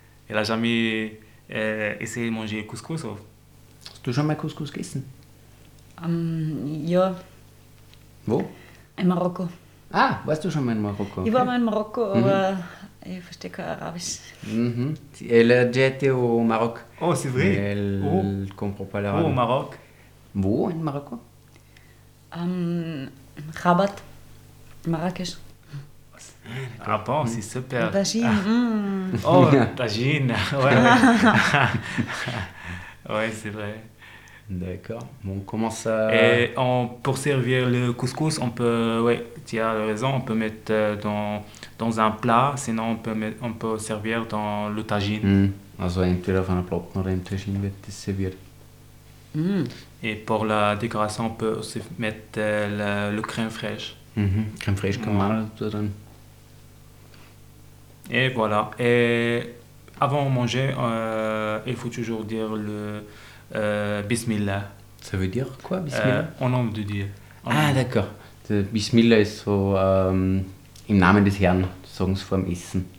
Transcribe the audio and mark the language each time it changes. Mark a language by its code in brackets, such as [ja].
[fr] Il n'a jamais essayé de manger couscous? Ou? [de] Hast du schon mal couscous gegessen? Ja. Wo? In Marokko. Ah, warst du schon mal in Marokko? Ich war mal in Marokko, aber ich verstehe kein Arabisch. [fr] Mm-hmm. Elle a déjà été au Maroc. Oh, c'est vrai? Elle ne comprend pas l'arabe. Au Maroc? [de] Wo in Marokko? Rabat, Marrakech. [fr] Ah bon, c'est super. Tagine. Ah. Oh, tagine. Ouais, c'est vrai. D'accord. Bon, on commence à... Et pour servir le couscous, on peut, ouais, tu as raison, on peut mettre dans un plat, sinon on peut servir dans le tagine. Mmh. [de] Also entweder auf einer Plattenrinde tagine wird das serviert. Mmh. [fr] Et pour la décoration, on peut aussi mettre le crème fraîche. Mmh. Crème fraîche, comme ça, tout à. Et voilà. Et avant de manger, il faut toujours dire le Bismillah. Ça veut dire quoi, Bismillah? En nom de Dieu. Ah, d'accord. [de] De Bismillah ist so im Namen des Herrn, sagen sie vor dem Essen.